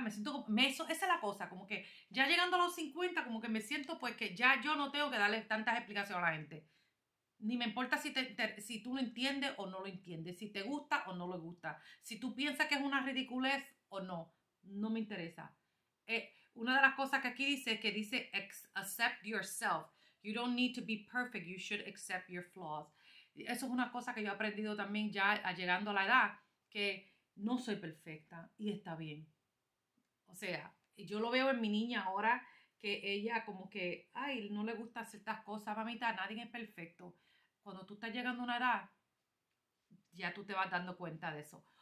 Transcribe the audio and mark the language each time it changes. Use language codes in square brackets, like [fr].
[es] Me siento como, esa es la cosa, como que ya llegando a los 50, como que me siento pues que ya yo no tengo que darle tantas explicaciones a la gente. Ni me importa si tú lo entiendes o no lo entiendes, si te gusta o no lo gusta, si tú piensas que es una ridiculez o no, no me interesa. Una de las cosas que aquí dice es que dice [en] accept yourself. You don't need to be perfect, you should accept your flaws. [es] Eso es una cosa que yo he aprendido también ya llegando a la edad, que no soy perfecta y está bien. O sea, yo lo veo en mi niña ahora, que ella como que, ay, no le gusta hacer estas cosas, mamita, nadie es perfecto. Cuando tú estás llegando a una edad, ya tú te vas dando cuenta de eso.